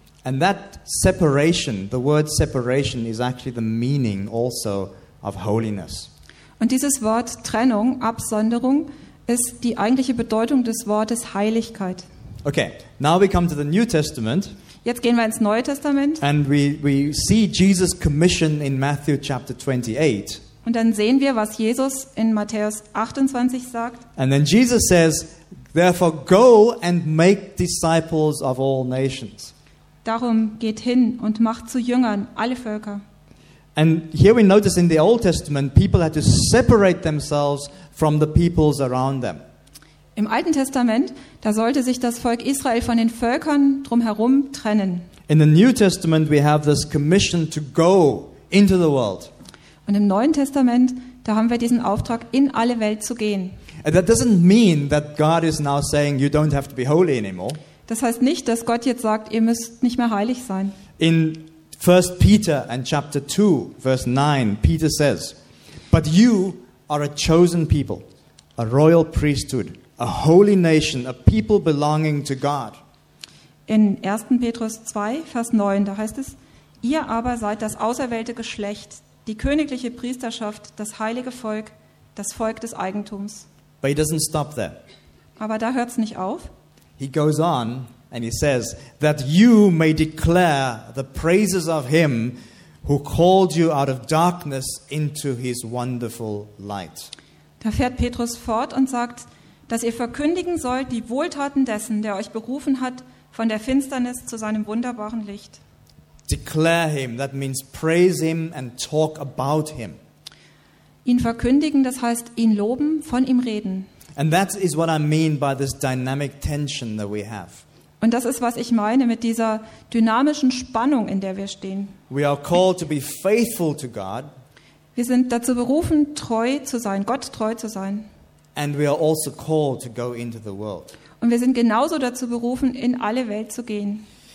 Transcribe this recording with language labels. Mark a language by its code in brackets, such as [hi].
[en] And that separation, the word separation is actually the meaning also of holiness. [de] Und dieses Wort Trennung, Absonderung, ist die eigentliche Bedeutung des Wortes Heiligkeit. [en] Okay, now we come to the New Testament. [de] Jetzt gehen wir ins Neue Testament. [en] And we see Jesus' commission in Matthew chapter 28. [de] Und dann sehen wir, was Jesus in Matthäus 28 sagt. [en] And then Jesus says, therefore go and make disciples of all nations. [de] Darum geht hin und macht zu Jüngern alle Völker. [en] And here we notice in the Old Testament, people had to separate themselves from the peoples around them. [de] Im Alten Testament, da sollte sich das Volk Israel von den Völkern drumherum trennen. [en] In the New Testament, we have this commission to go into the world. [de] Und im Neuen Testament, da haben wir diesen Auftrag, in alle Welt zu gehen. [en] And that doesn't mean that God is now saying you don't have to be holy anymore. [de] Das heißt nicht, dass Gott jetzt sagt, ihr müsst nicht mehr heilig sein. [en] In 1 Peter and chapter 2, verse 9, Peter says, but you are a chosen people, a royal priesthood, a holy nation, a people belonging to God. [de] In 1. Petrus 2, Vers 9, da heißt es, ihr aber seid das auserwählte Geschlecht, die königliche Priesterschaft, das heilige Volk, das Volk des Eigentums. [en] But he doesn't stop there. [de] Aber da hört's nicht auf. [en] He goes on and he says, that you may declare the praises of him who called you out of darkness into his wonderful light. [de] Da fährt Petrus fort und sagt, dass ihr verkündigen sollt die Wohltaten dessen, der euch berufen hat von der Finsternis zu seinem wunderbaren Licht. [en] Declare him, that means praise him and talk about him. [de] Ihn verkündigen, das heißt ihn loben, von ihm reden. [en] And that is what I mean by this dynamic tension that we have. [de] Und das ist, was ich meine mit dieser dynamischen Spannung, in der wir stehen. [en] We are called to be faithful to God. [de] Wir sind dazu berufen, treu zu sein, Gott treu zu sein. [en] And we are also called to go into the world. [de] Und wir sind genauso dazu berufen, in alle Welt zu gehen.